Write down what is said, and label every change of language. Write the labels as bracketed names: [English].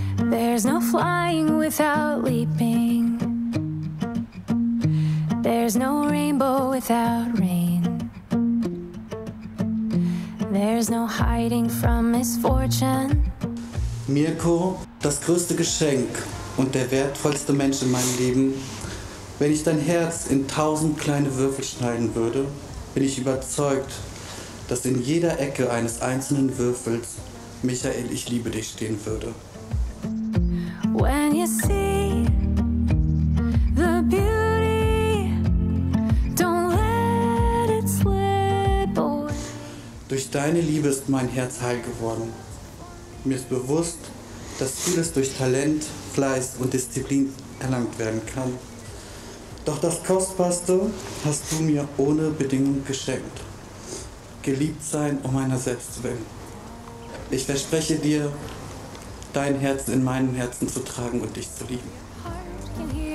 [English] There's no flying without leaping. There's no rainbow without rain. There's no hiding from misfortune. [German] Mirko, das größte Geschenk und der wertvollste Mensch in meinem Leben. Wenn ich dein Herz in 1000 kleine Würfel schneiden würde, bin ich überzeugt, dass in jeder Ecke eines einzelnen Würfels Michael, ich liebe dich stehen würde. [English] When you see the beauty, don't let it slip away. [German] Durch deine Liebe ist mein Herz heil geworden. Mir ist bewusst, dass vieles durch Talent, Fleiß und Disziplin erlangt werden kann. Doch das Kostbarste hast du mir ohne Bedingung geschenkt. Geliebt sein, um meiner selbst zu werden. Ich verspreche dir, dein Herz in meinem Herzen zu tragen und dich zu lieben.